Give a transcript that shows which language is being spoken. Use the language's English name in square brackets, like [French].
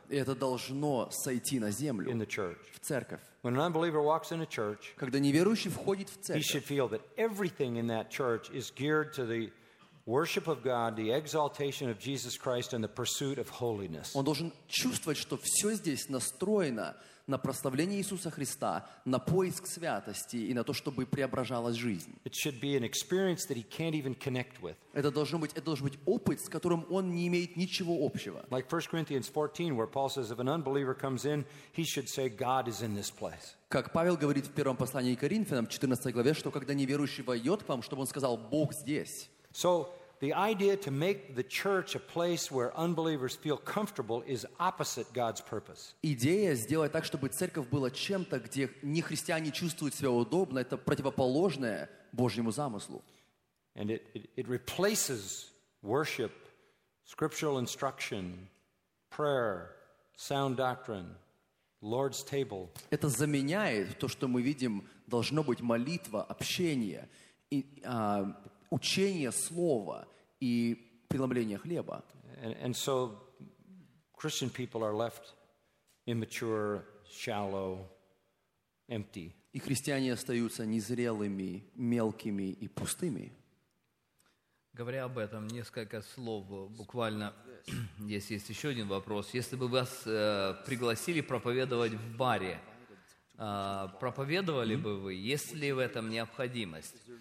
[Russian] И это должно сойти на землю. [English] In the church. [Russian] В церковь. [English] When an unbeliever walks in a church, [Russian] когда неверующий входит в церковь, [English] he should feel that everything in that church is geared to the worship of God, the exaltation of Jesus Christ, and the pursuit of holiness. [Russian] Он должен чувствовать, что все здесь настроено на прославление Иисуса Христа, на поиск святости и на то, чтобы преображалась жизнь. [English] It should be an experience that he can't even connect with. [Russian] Это должен быть опыт, с которым он не имеет ничего общего. [English] Like 1 Corinthians 14, where Paul says, if an unbeliever comes in, he should say, God is in this place. [Russian] Как Павел говорит в первом послании к Коринфянам, 14 главе, что когда неверующий войдет к вам, чтобы он сказал, Бог здесь. [English] So the idea to make the church a place where unbelievers feel comfortable is opposite God's purpose. [Russian] Идея сделать так, чтобы церковь была чем-то, где нехристиане чувствуют себя удобно, это противоположное Божьему замыслу. [English] And it replaces worship, scriptural instruction, prayer, sound doctrine, Lord's table. [Russian] Это заменяет то, что мы видим, должно быть молитва, общение и учение слова и преломление хлеба. [English] And so Christian people are left immature, shallow, empty. [Russian] И христиане остаются незрелыми, мелкими и пустыми. Говоря об этом, несколько слов буквально. Здесь есть еще один вопрос. Если бы вас пригласили проповедовать в баре, проповедовали бы вы, есть ли в этом необходимость?